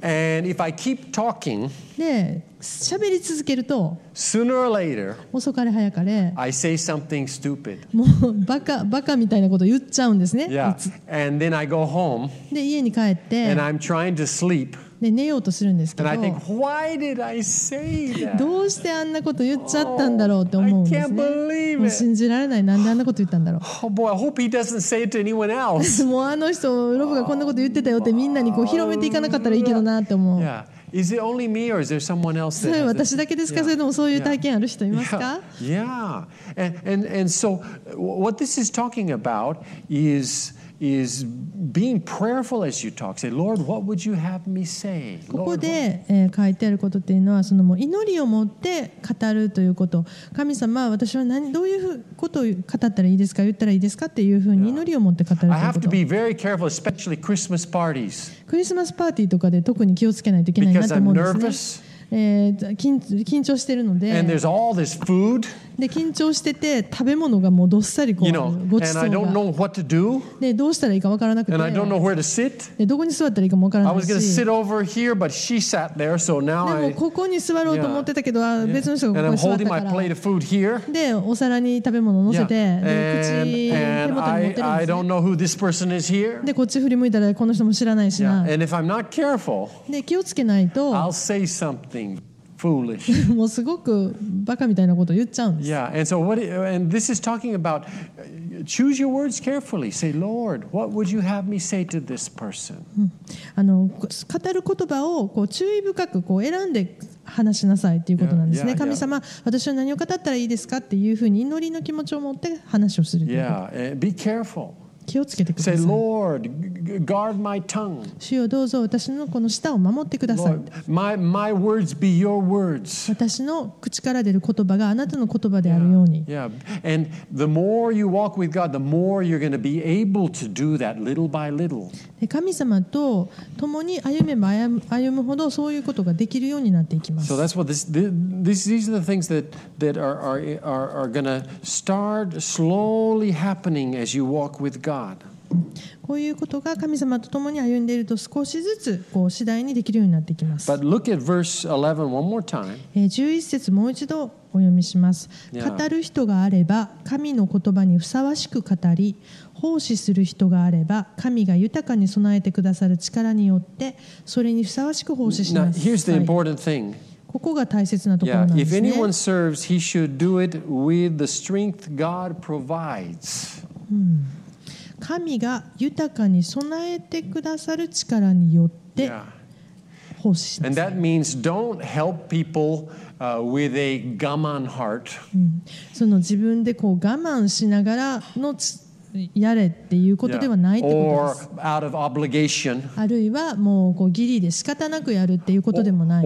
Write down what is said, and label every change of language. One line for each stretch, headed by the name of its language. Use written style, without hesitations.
English: And if I keep talking,
Japanese: で喋り続けると
English: sooner or later,
Japanese: 遅かれ早かれ
English: I say something stupid.
Japanese: もうバカみたいなこと言っちゃうんですね。
English: Yeah. And then I go home,
Japanese: で家に帰って
English: and I'm trying to sleep.
Japanese: で寝ようとするんですけど、
English: And I think, why did I say that?
Japanese: どうしてあんなこと言っちゃったんだろうって思うんですね。
English: I can't believe it.
Japanese: 信じられない、なんであんなこと言ったんだろう。
English: Oh boy, I hope he doesn't say it to anyone else.
Japanese: もうあの人ロブがこんなこと言ってたよってみんなにこう広めていかなかったらいいけどなって思う。
English: Yeah. Is it only me or is there someone else that has it?
Japanese: 私だけですか、それともそういう体験ある人いますか。
English: And so what this is talking about is being prayerful as you talk. Say, Lord, what would you have me say?
Japanese: ここで書いてあることっていうのは、そのもう祈りを持って語るということ。神様、私は何、どういうことを語ったらいいですか、言ったらいいですかっていうふうに祈りを持って語るということ。
English: I have to be very careful, especially Christmas parties.
Japanese: クリスマスパーティーとかで特に気をつけないといけないなと思うんですね。
English: Because I'm nervous.
Japanese: 緊張してるので、
English: and there's all this food.
Japanese: で緊張してて食べ物がもうどっさりこう
English: you know,
Japanese: ごちそうが
English: and I don't know what to do.
Japanese: でどうしたらいいか分からなくて
English: and I don't know where to sit.
Japanese: でどこに座ったらいいかも分からないし
English: I was going to sit over here, but she sat there, so now
Japanese: でもここに座ろうと思ってたけど、
English: yeah.
Japanese: 別の人がここに座ったから
English: and I'm holding my plate of food here.
Japanese: でお皿に食べ物を乗せて、
English: yeah. and,
Japanese: 口手元に持ってるんですね。
English: I don't know who this person is here.
Japanese: でこっち振り向いたらこの人も知らないしな、
English: yeah. and if I'm not careful,
Japanese: で気をつけないと
English: I'll say somethingFoolish.
Japanese: もうすごくバカみたいなことを言っちゃうんです。
English: Yeah, and so what? And this is talking about choose your words carefully. Say, Lord, what would you have me say to this person?
Japanese: 語る言葉をこう注意深くこう選んで話しなさいっていうことなんですね。
English: yeah, yeah, yeah.
Japanese: 神様、私は何を語ったらいいですかっていうふうに祈りの気持ちを持って話をする。
English: Yeah, and be careful.
Japanese: 気をつけてください。
English: Say, Lord, guard my tongue.
Japanese: 主よ、どうぞ私のこの舌を守ってください。
English: Lord, my words be your words.
Japanese: 私の口から出る言葉があなたの言葉であるように。
English: Yeah, yeah. And the more you walk with God, the more you're going to be able to do that little by little.
Japanese: で神様と共に歩めば歩むほどそういうことができるようになっていきます。
English: So that's what these are the things that are going to start slowly happening as you walk with God.
Japanese: こういうことが神様と共に歩んでいると少しずつこう次第にできるようになってきます。
English: But look at verse 11 one more time.
Japanese: 11節もう一度お読みします、
English: yeah.
Japanese: 語る人があれば神の言葉にふさわしく語り、奉仕する人があれば神が豊かに備えてくださる力によってそれにふさわしく奉仕します。
English: Now, here's the important thing.
Japanese: ここが大切なところなんですね。
English: Yeah, if anyone serves, he should do it with the strength God provides.
Japanese: 神が豊かに備えてくださる力によって奉仕します。
English: And that means don't help people, with a 我慢 heart.
Japanese: その自分でこう我慢しながらのやれっていうことではないってことです、
English: yeah. out of obligation.
Japanese: あるいはもうこう義理で仕方なくやるっていうことでもない